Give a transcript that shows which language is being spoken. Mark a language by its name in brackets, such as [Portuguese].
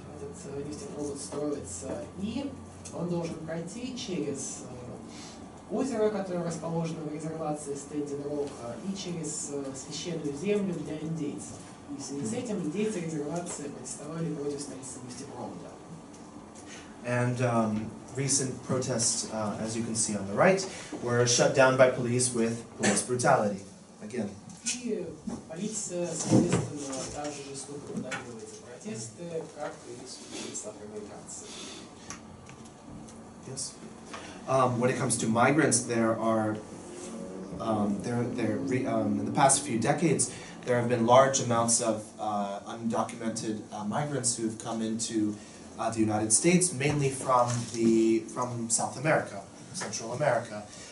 [Russian] Этот нефтепровод строится, и он должен пройти через озеро, которое расположено в резервации Standing Rock, и через священную землю для индейцев. И в связи с этим индейцы резервации протестовали против строительства нефтепровода. [English] Recent protests, as you can see on the right, were shut down by police with police brutality. Again. [Russian] и полиция, соответственно, также жестоко подавила эти протесты, как и судили с афроамериканцами. [English] Yes. When it comes to migrants, there are in the past few decades, there have been large amounts of undocumented migrants who have come into the United States, mainly from South America, Central America.